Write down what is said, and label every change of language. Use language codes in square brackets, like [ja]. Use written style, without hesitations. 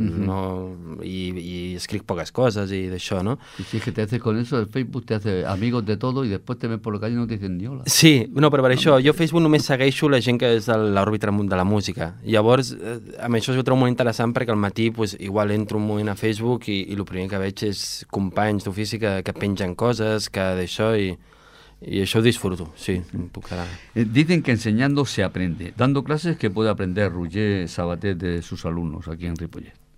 [es] No, y escribo pocas cosas y de eso, ¿no? Y si es que te haces con eso, el Facebook te hace amigos de todo y después te ves por la calle y no te dicen ni hola. Sí, no, pero para eso, yo Facebook no me segueixo la gente que es de la órbita de la música. [ca] Llavors, a mi això és un moment interessant perquè al matí pues, igual entro un moment a Facebook i el primer que veig és companys d'ofici que pengen coses, que d'això, i això ho disfruto, sí. [es] Dicen que enseñando se aprende. Dando clases, que puede aprender Roger Sabater de sus alumnos aquí en Ripollet?